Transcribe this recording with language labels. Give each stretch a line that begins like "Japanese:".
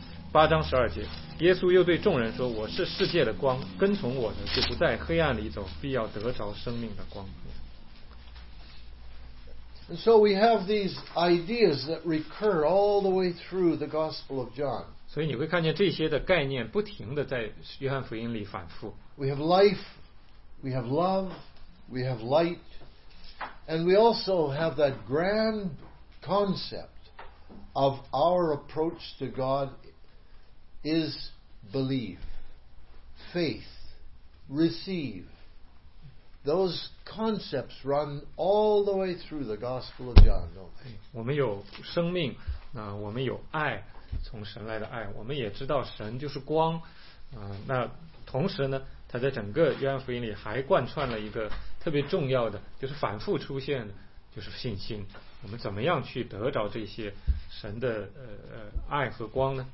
Chinese: 八章十二节，耶稣又对众人说：“我是世界的光，跟从我的就不在黑暗里走，必要得着生命的光。”
English: And so we have these ideas that recur all the way through the Gospel of John.
Chinese: 所以你会看见这些的概念不停的在约翰福音里反复。
English: We have life, we have love, we have light.And we also have that grand concept of our approach to God is belief, faith, receive. Those concepts run all the way through the Gospel of John, don't they?
Chinese: 我们有生命，那我们有爱，从神来的爱，我们也知道神就是光，那同时呢，他在整个约翰福音里还贯穿了一个特别重要的，就是反复出现的，就是信心。我们怎么样去得着这些神的爱和光呢？